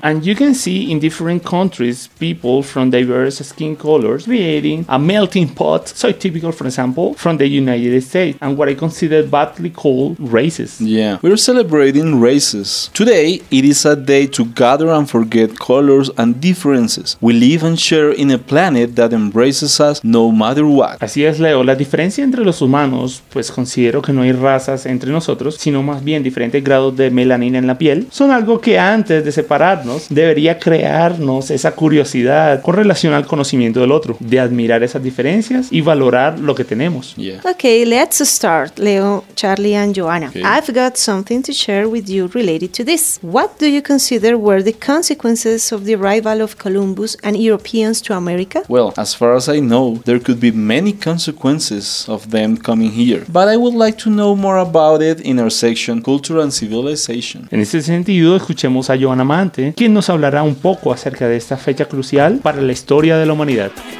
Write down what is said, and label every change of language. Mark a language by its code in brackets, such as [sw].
[en] And you can see in different countries, people from diverse skin colors creating a melting pot, so typical, for example, from the United States, and what I consider badly called races. Yeah, we're celebrating races. Today, it is a day to gather and forget colors and differences. We live and share in a planet that embraces us no matter what. [es] Así es, Leo. La diferencia entre los humanos, pues considero que no hay razas entre nosotros, sino más bien diferentes grados de melanina en la piel, son algo que antes de separarnos debería crearnos esa curiosidad con relación al conocimiento del otro, de admirar esas diferencias y valorar lo que tenemos. [en] Yeah. Okay, let's start, Leo, Charlie and Joanna. Okay. I've got something to share with you related to this. What do you consider were the consequences of the arrival of Columbus and Europeans to America? Well, as far as I know, there could be many consequences of them coming here, but I would like to know more about it in our section Culture and Civilization. [es] En ese sentido, escuchemos a Joan Amante, quien nos hablará un poco acerca de esta fecha crucial para la historia de la humanidad.